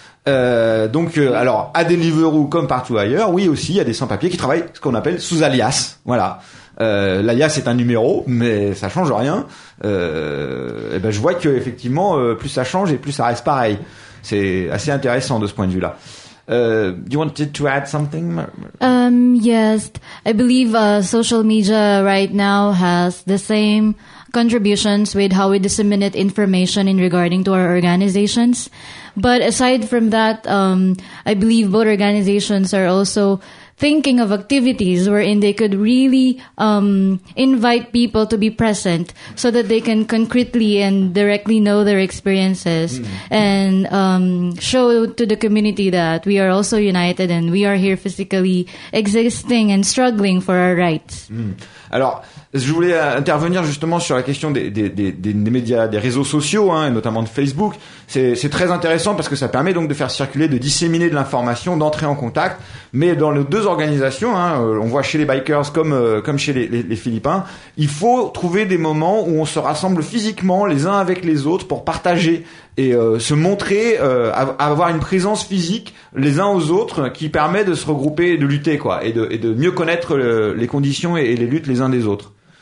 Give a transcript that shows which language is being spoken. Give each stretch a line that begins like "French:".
French: Alors à Deliveroo comme partout ailleurs, oui aussi, il y a des sans-papiers qui travaillent ce qu'on appelle sous alias. Voilà. L'alias est un numéro, mais ça change rien. Je vois que effectivement, plus ça change et plus ça reste pareil. C'est assez intéressant de ce point de vue-là.
English: You wanted to add something? Yes, I believe social media right now has the same contributions with how we disseminate information in regarding to our organizations. But aside from that, I believe both organizations are also thinking of activities wherein they could really invite people to be present so that they can concretely and directly know their experiences and show to the community that we are also united and we are here physically existing and struggling for our rights.
French: Alors, je voulais intervenir justement sur la question des médias, des réseaux sociaux, hein, et notamment de Facebook. C'est très intéressant parce que ça permet donc de faire circuler, de disséminer de l'information, d'entrer en contact. Mais dans nos deux organisations, hein, on voit chez les bikers comme chez les Philippins, il faut trouver des moments où on se rassemble physiquement les uns avec les autres pour partager et se montrer, avoir une présence physique les uns aux autres qui permet de se regrouper, de lutter, quoi, et de mieux connaître les conditions et les luttes les uns des autres.